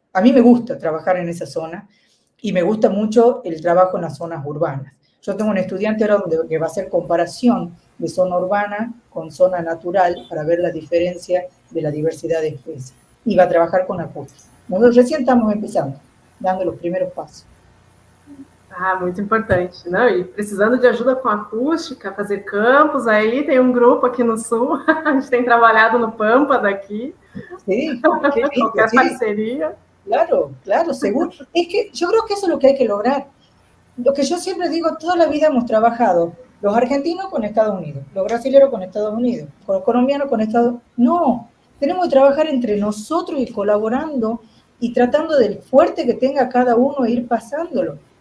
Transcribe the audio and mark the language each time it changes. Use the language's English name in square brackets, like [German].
[Spanish] A mí me gusta trabajar en esa zona y me gusta mucho el trabajo en las zonas urbanas. Yo tengo un estudiante ahora que va a hacer comparación de zona urbana con zona natural para ver la diferencia de la diversidad de especies. Y va a trabajar con acústica. Nosotros recién estamos empezando, dando los primeros pasos. [Portuguese] Ah, muito importante, né? E precisando de ajuda com acústica, fazer campos, aí tem grupo aqui no Sul, a gente tem trabalhado no Pampa daqui, qualquer parceria. [Spanish] Claro, claro, seguro. Es que yo creo que eso es lo que hay que lograr. Lo que yo siempre digo, toda la vida hemos trabajado, los argentinos con Estados Unidos, los brasileños con Estados Unidos, los colombianos con Estados Unidos. No, tenemos que trabajar entre nosotros y colaborando y tratando del fuerte que tenga cada uno e ir pasándolo.